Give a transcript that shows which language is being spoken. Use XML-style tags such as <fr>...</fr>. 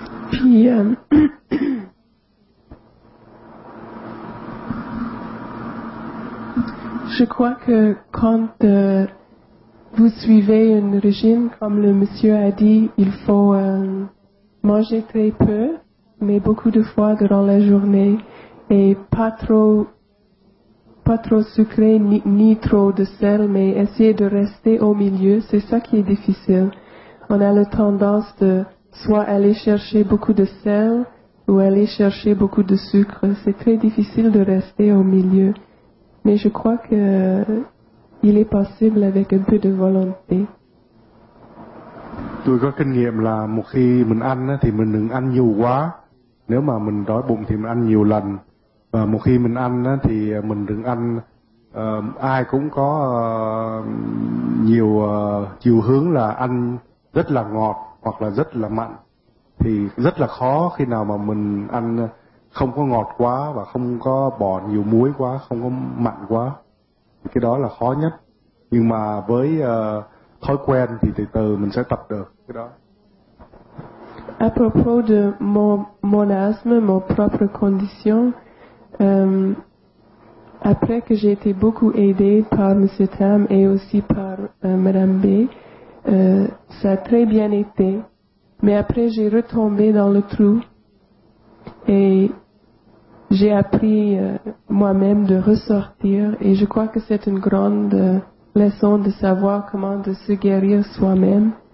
<fr>PM je crois que quand vous suivez un régime, comme le monsieur a dit, il faut manger très peu, mais beaucoup de fois durant la journée, et pas trop sucré ni trop de sel, mais essayer de rester au milieu, c'est ça qui est difficile. On a la tendance de soit aller chercher beaucoup de sel ou aller chercher beaucoup de sucre. C'est très difficile de rester au milieu. Mais je crois que il est possible avec un peu de volonté.</fr> <vi>Tôi có kinh nghiệm là một khi mình ăn thì mình đừng ăn nhiều quá. Nếu mà mình đói bụng thì mình ăn nhiều lần. Và một khi mình ăn thì mình đừng ăn ai cũng có nhiều chiều hướng là ăn rất là ngọt hoặc là rất là mặn. Thì rất là khó khi nào mà mình ăn không có ngọt quá và không có bỏ nhiều muối quá, không có mặn quá. Cái đó là khó nhất, nhưng mà với thói quen thì từ từ mình sẽ tập được cái đó.</vi> <fr>À propos de mon asthme, mon propre condition, après que j'ai été beaucoup aidée par M. Tam et aussi par Mme B, ça a très bien été. Mais après j'ai retombé dans le trou et j'ai appris moi-même de ressortir et je crois que c'est une grande leçon de savoir comment de se guérir soi-même.</fr>